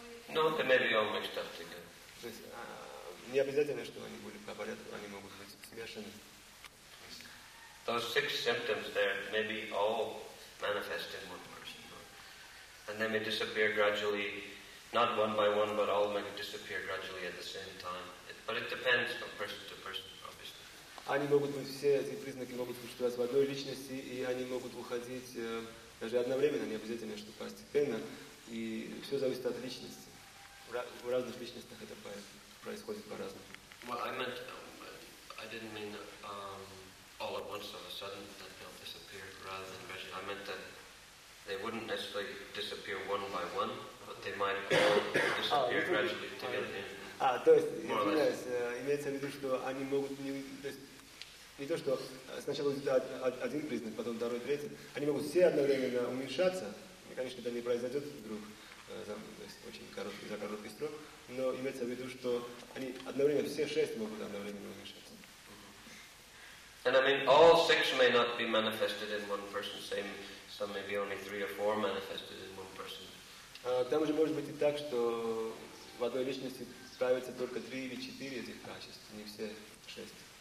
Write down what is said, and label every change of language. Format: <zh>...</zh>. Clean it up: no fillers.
<en>No, they may be all mixed up together.</en> <ru>То есть, не обязательно, что они были по порядку, они могут быть смешаны.</ru> <en>Those six symptoms there may be all manifest in one person. And they may disappear gradually, not one by one, but all may disappear gradually at the same time. But it depends from person to person, obviously.</en> <ru>Они могут быть все эти признаки могут существовать в одной личности, и они могут уходить даже одновременно, не обязательно, что постепенно, и все зависит от личности. В разных личностях это происходит по-разному.</ru> <en>Well, I didn't mean all at once, all of a sudden, that they'll disappear, rather than gradually. I meant that they wouldn't necessarily disappear one by one, but they might disappear gradually together.</en> <ru>А, то есть, я извиняюсь, имеется в виду, что они могут не... То есть, не то, что сначала будет один признак, потом второй, третий. Они могут все одновременно уменьшаться. И, конечно, это не произойдет вдруг за короткий срок. Но имеется в виду, что они одновременно, все шесть могут одновременно уменьшаться.</ru> <en>And I mean, all six may not be manifested in one person. Same, some may be only three or four manifested in one person.</en> <ru>Там же может быть и так, что в одной личности... Ставится только три или четыре этих качеств, не все шесть.</ru>